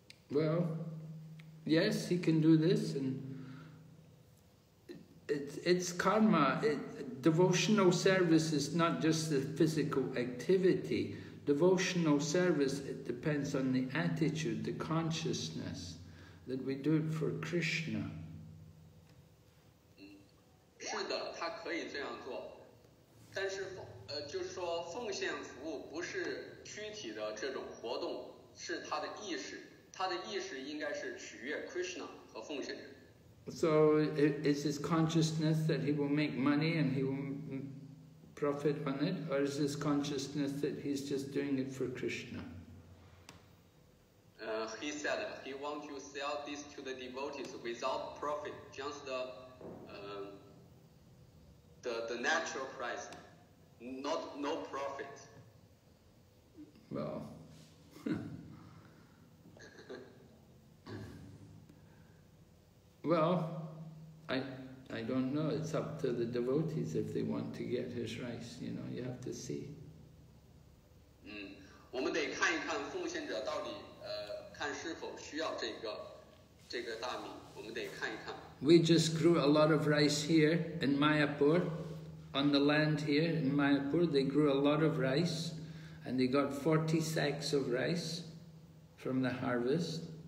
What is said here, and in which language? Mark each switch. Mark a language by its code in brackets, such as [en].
[en] Well, yes, he can do this. And it's karma. Devotional service is not just the physical activity. Devotional service, it depends on the attitude, the consciousness, that we do it for Krishna. [zh] 是的，他可以这样做。但是，就是说奉献服务不是躯体的这种活动，是他的意识。他的意识应该是取悦 Krishna 和奉献者。 [en] So is his consciousness that he will make money and he will... profit on it, or is this consciousness that he's just doing it for Krishna? He said he wants to sell this to the devotees without profit, just the natural price, no profit. Well, I don't know, it's up to the devotees if they want to get his rice, you know, you have to see. [zh] 我们得看一看奉献者到底看是否需要这个大米，我们得看一看。 [en] We just grew a lot of rice here in Mayapur, on the land here in Mayapur, they grew a lot of rice, and they got 40 sacks of rice from the harvest.